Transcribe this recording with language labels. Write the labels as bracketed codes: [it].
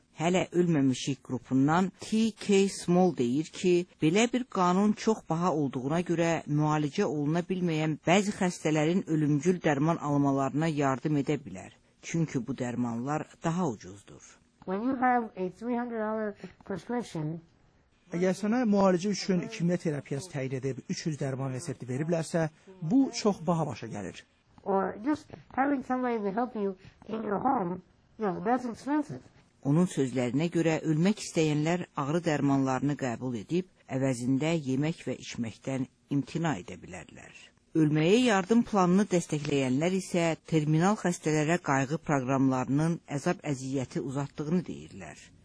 [az] Hələ ölməmişik qrupundan T.K. Small deyir ki, belə bir qanun çox baha olduğuna görə müalicə oluna bilməyən bəzi xəstələrin ölümcül dərman almalarına yardım edə bilər. Çünki bu dərmanlar daha ucuzdur. [en] When you have a $300 prescription, [az] əgər sənə müalicə üçün kimya terapiyası təyin edib 300 dərman resepti veriblərsə, bu çox baha başa gəlir. [en] Or just having somebody to help you in your home, you know, that's expensive. [az] Onun sözlərinə görə ölmək istəyənlər ağrı dərmanlarını qəbul edib, əvəzində yemək və içməkdən imtina edə bilərlər. Ölməyə yardım planını dəstəkləyənlər isə terminal xəstələrə qayğı proqramlarının əzab-əziyyəti uzatdığını deyirlər.